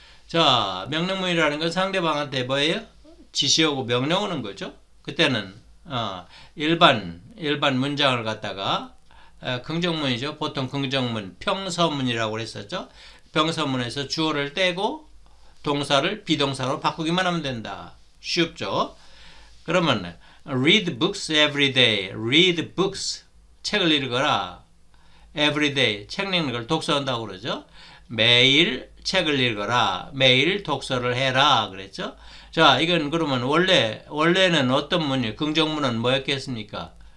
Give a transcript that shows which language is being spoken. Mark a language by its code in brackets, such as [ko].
[ko] 자, 명령문이라는 건 상대방한테 뭐예요? 지시하고 명령하는 거죠. 그때는 일반 문장을 갖다가 긍정문이죠. 보통 긍정문, 평서문이라고 그랬었죠. 평서문에서 주어를 떼고 동사를 비동사로 바꾸기만 하면 된다. 쉽죠? 그러면 [en] read books every day. read books. [ko] 책을 읽어라. [en] every day. [ko] 책 읽는 걸 독서한다고 그러죠. 매일 책을 읽어라. 매일 독서를 해라. 그랬죠? 자, 이건 그러면 원래는 어떤 문이에요? 긍정문은 뭐였겠습니까?